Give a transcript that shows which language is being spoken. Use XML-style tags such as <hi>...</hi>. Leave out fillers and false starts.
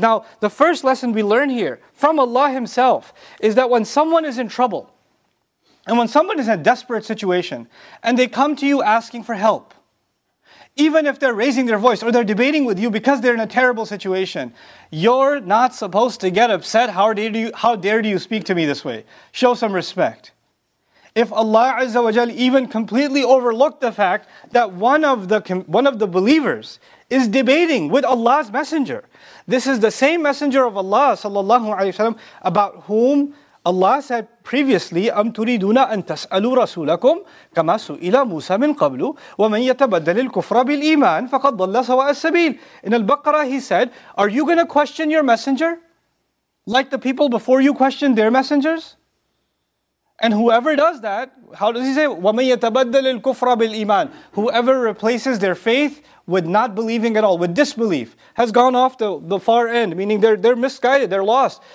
<en>Now, the first lesson we learn here from Allah Himself is that when someone is in trouble, and when someone is in a desperate situation, and they come to you asking for help, even if they're raising their voice or they're debating with you because they're in a terrible situation, you're not supposed to get upset. How dare you speak to me this way? Show some respect. if Allah Azza wa Jal even completely overlooked the fact that one of the believers is debating with Allah's messenger. This is the same messenger of Allah sallallahu alayhi wa sallam, about whom Allah said previously,</en> <ar>أَمْ تُرِيدُونَ أَن تَسْأَلُوا رَسُولَكُمْ كَمَا سُئِلَ مُوسَى مِنْ قَبْلُ وَمَنْ يَتَبَدَّلِ الْكُفْرَ بِالْإِيمَانِ فَقَدْ ضَلَّ سَوَاءَ السَّبِيلِ.</ar> <en>In Al-Baqarah he said, are you going to question your messenger like the people before you questioned their messengers? And whoever does that, how does he say,</en> <ar>وَمَنْ يَتَبَدَّلِ الْكُفْرَ بِالْإِيمَانِ,</ar> <en>whoever replaces their faith with not believing at all, with disbelief, has gone off the far end, meaning they're misguided, they're lost.</en>